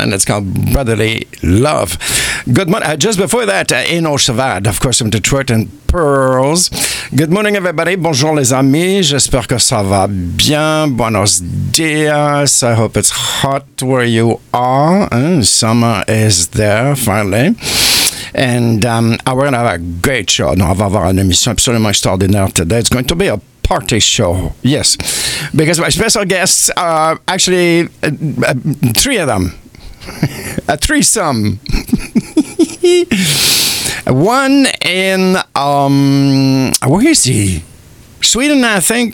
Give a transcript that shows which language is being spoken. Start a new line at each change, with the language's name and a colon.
English: And it's called Brotherly Love. Good morning. Just before that, Eno Chavad, of course, from Detroit and Pearls. Good morning, everybody.
French: Bonjour, les amis. J'espère que ça va bien.
Spanish: Buenos dias.
English: I hope it's hot where you are. Summer is there, finally. And we're going to have a great show.
French: No, on va avoir une émission absolument extraordinaire today.
English: It's going to be a party show. Yes. Because my special guests are actually three of them. A threesome. One in, where is he? Sweden, I think.